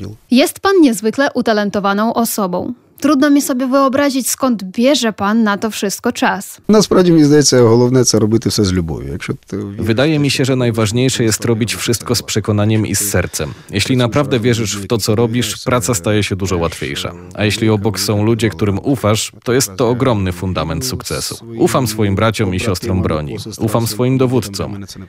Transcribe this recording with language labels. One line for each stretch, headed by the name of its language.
Polish: Jest pan niezwykle utalentowaną osobą. Trudno mi sobie wyobrazić, skąd bierze pan na to wszystko czas.
Ukrainian: Насправді, мені здається, головне це робити все з любов'ю. Якщо ти
Polish: Wydaje mi się, że najważniejsze jest robić wszystko z przekonaniem i z sercem. Jeśli naprawdę wierzysz w to, co robisz, praca staje się dużo łatwiejsza. A jeśli obok są ludzie, którym ufasz, to jest to ogromny fundament sukcesu. Ufam swoim braciom i siostrom broni. Ufam swoim dowódcom.